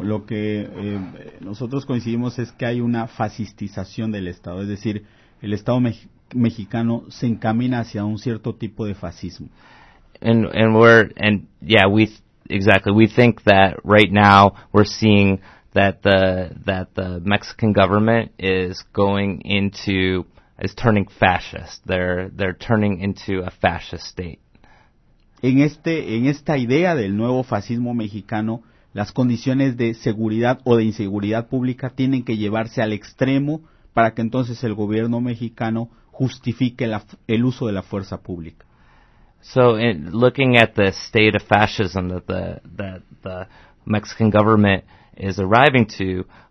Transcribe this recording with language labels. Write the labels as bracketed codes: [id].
[es] Lo que nosotros coincidimos es que hay una fascistización del Estado. Es decir, el Estado mexicano se encamina hacia un cierto tipo de fascismo. [en] We think that right now we're seeing that the Mexican government is turning fascist. They're turning into a fascist state. [es] En esta idea del nuevo fascismo mexicano, las condiciones de seguridad o de inseguridad pública tienen que llevarse al extremo para que entonces el gobierno mexicano justifique el uso de la fuerza pública. [en] So, looking at the state of fascism that the Mexican government is arriving to,